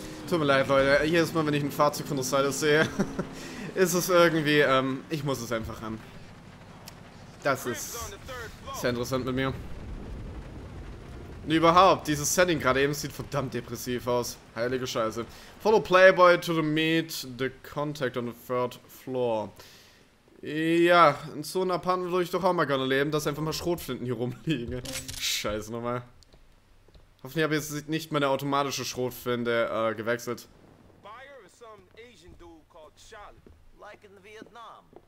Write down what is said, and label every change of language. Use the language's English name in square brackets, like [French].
[German] Tut mir leid, Leute. Jedes Mal, wenn ich ein Fahrzeug von der Seite sehe, ist es irgendwie, ich muss es einfach haben. Das ist sehr interessant mit mir. Und überhaupt, dieses Setting gerade eben sieht verdammt depressiv aus. Heilige Scheiße. [English] Follow Playboy to the meet the contact on the third floor. [German] Ja, in so einer Panne würde ich doch auch mal gerne leben, dass einfach mal Schrotflinten hier rumliegen. Scheiße nochmal. Hoffentlich habe ich jetzt nicht meine automatische Schrotflinte gewechselt. [English] Buyer is some Asian dude called Charlie. Like in Vietnam.